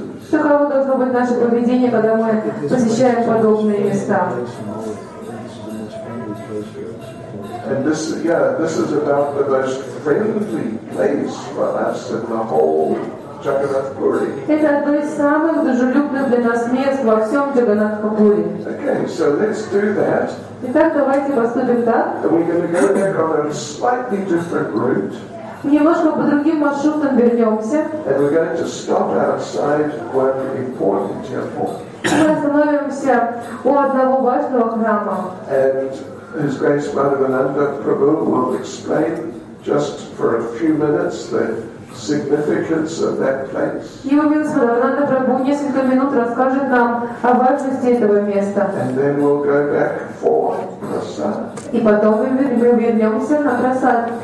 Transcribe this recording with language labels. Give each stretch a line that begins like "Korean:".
Russian: Таково должно быть наше поведение, когда мы посещаем подобные места.
English: And this is about the most friendly place for us in the whole Jagannath Puri.
Russian: Это одно из самых дружелюбных для нас мест во всем Jagannath Puri.
English: Okay, so let's do that.
Russian: Итак, давайте поступим так.
English: And we're going to go back on a slightly different route.
Russian: Немножко по другим маршрутам вернемся.
English: And we're going to stop outside one important temple.
Russian: Мы остановимся у одного важного храма.
English: And His Grace Madhavananda Prabhu will explain just for a few minutes the significance of that place.
Russian: Его милость Мадхавананда Прабху несколько минут расскажет нам о важности этого места.
English: And then we'll go back for prasad.
Russian: И потом мы вернемся на прасад.